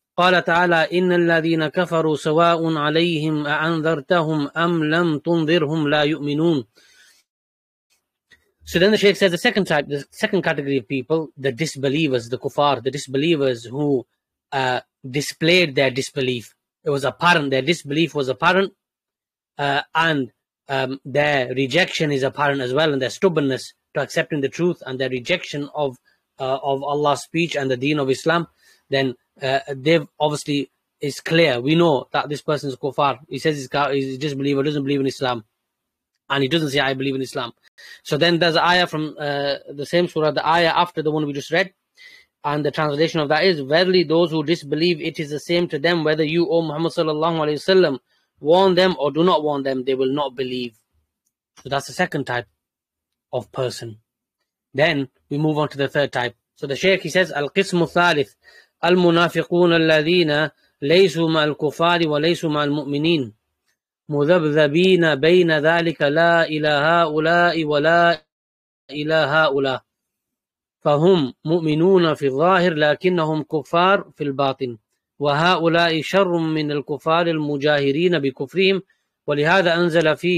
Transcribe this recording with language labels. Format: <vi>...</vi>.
<ar>قال تعالى إن الذين كفروا سواء عليهم أأنذرتهم أم لم تنذرهم لا يؤمنون.</ar> <en>So then the Shaykh says, the second type, the second category of people, the disbelievers, the kuffar, the disbelievers who displayed their disbelief. It was apparent, their disbelief was apparent, and their rejection is apparent as well, and their stubbornness to accepting the truth, and their rejection of Allah's speech and the deen of Islam. Then they've obviously, it's clear, we know that this person is kuffar. He says he's a disbeliever, doesn't believe in Islam. And he doesn't say, I believe in Islam. So then there's an ayah from the same surah, the ayah after the one we just read. And the translation of that is, verily those who disbelieve, it is the same to them, whether you, O Muhammad sallallahu alayhi wa sallam, warn them or do not warn them, they will not believe. So that's the second type of person. Then we move on to the third type. So the Shaykh, he says,</en> <ar>القسم الثالث المنافقون الذين ليسوا مع الكفار وليسوا مع المؤمنين مذبذبين بين ذلك لا إلى هؤلاء ولا إلى هؤلاء فهم مؤمنون في الظاهر لكنهم كفار في الباطن وهؤلاء شر من الكفار المجاهرين بكفرهم ولهذا أنزل</ar>